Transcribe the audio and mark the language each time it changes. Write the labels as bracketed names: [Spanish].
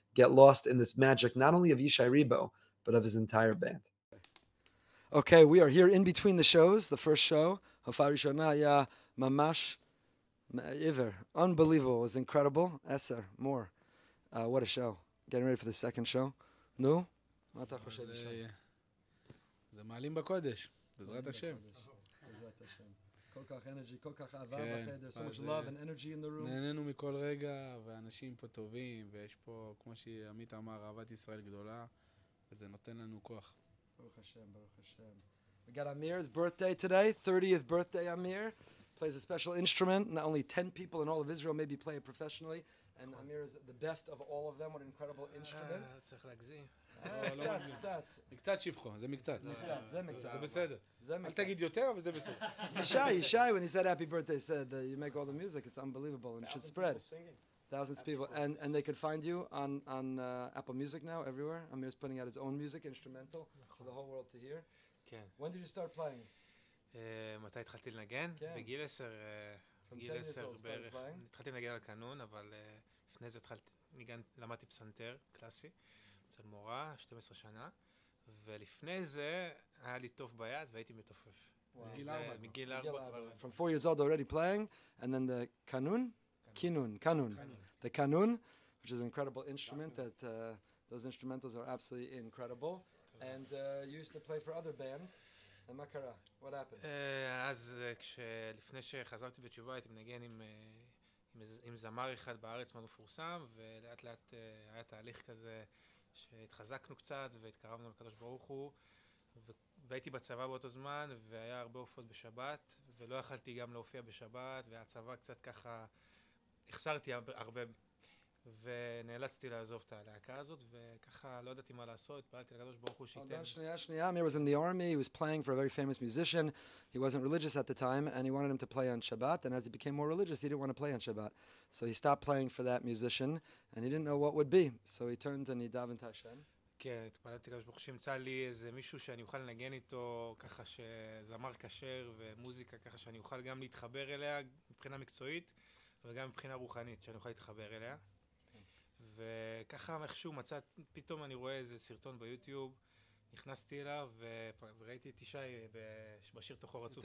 [English] Get lost in this magic, not only of Ishay Ribo, but of his entire band. Okay, we are here in between the shows. The first show, [Hebrew] Hofa Rishona, ya mamash iver. [English] Unbelievable, it was incredible. Eser, more. What a show. Getting ready for the second show. [Hebrew] Nu? Ma ata choshev Ishay? זה מעלים בקודש, בעזרת השם. בעזרת השם. כל כך אנרגי, כל כך אהבה בחדר, [English] so much love and energy in the room. [Hebrew] נהננו מכל רגע, ואנשים פה טובים, ויש פה, כמו שעמית אמר, אהבת ישראל גדולה, וזה נותן לנו כוח. ברוך השם, ברוך השם. [English] We got Amir's birthday today, 30th birthday Amir. Plays a special instrument, not only 10 people in all of Israel maybe play it professionally, and Amir is the best of all of them, what an incredible instrument. [Hebrew] צריך להגזים. מקצת שבחו, זה מקצת. מקצת, זה מקצת. זה בסדר. אל תגיד יותר, אבל זה בסדר. [English] Ishay, when he said happy birthday, he said that you make all the music, it's unbelievable, and it should spread. Thousands of people. And they can find you on Apple Music now, everywhere. Amir is putting out his own music, instrumental, for the whole world to hear. [Hebrew] כן. [English] When did you start playing? [Hebrew] מתי התחלתי לנגן? כן. בגיל 10, בגיל 10 בערך. התחלתי לנגן על קנון, אבל לפני זה התחלתי, למדתי פסנתר קלאסי. אצל מורה, 12 שנה, ולפני זה היה לי טוב ביד והייתי מתופף. מגיל ארבע. [English] From 4 years old already playing, and then the kanun, kinun, kanun. The kanun, which is an incredible instrument, that those instrumentals are absolutely incredible. And you used to play for other bands. And [Hebrew] מה קרה? [English] What happened? [Hebrew] אז לפני שחזרתי בתשובה הייתי מנגן עם זמר אחד בארץ מאוד מפורסם, ולאט לאט היה תהליך כזה, שהתחזקנו קצת והתקרבנו לקדוש ברוך הוא, והייתי בצבא באותו זמן, והיה הרבה הופעות בשבת, ולא יכלתי גם להופיע בשבת, והצבא קצת ככה החסרתי הרבה, ונאלצתי לעזוב את הלהקה הזאת, וככה לא ידעתי מה לעשות, התפללתי לקדוש ברוך הוא שייתן. עוד שנייה, [English] Amir was in the army, he was playing for a very famous musician, he wasn't religious at the time, and he wanted him to play on Shabbat, and as he became more religious, he didn't want to play on Shabbat. So he stopped playing for that musician, and he didn't know what would be, so he turned and he davened Hashem. [Hebrew] כן, התפללתי לקדוש ברוך הוא שימצא לי איזה מישהו שאני אוכל לנגן איתו, ככה שזמר כשר ומוזיקה, ככה שאני אוכל גם להתחבר אליה מבחינה מקצועית, וגם מבחינה רוחנית, שאני אוכל להתחבר אליה. וככה איכשהו מצאת, פתאום אני רואה איזה סרטון ביוטיוב, נכנסתי אליו וראיתי את אישי בשיר תוכו רצוף.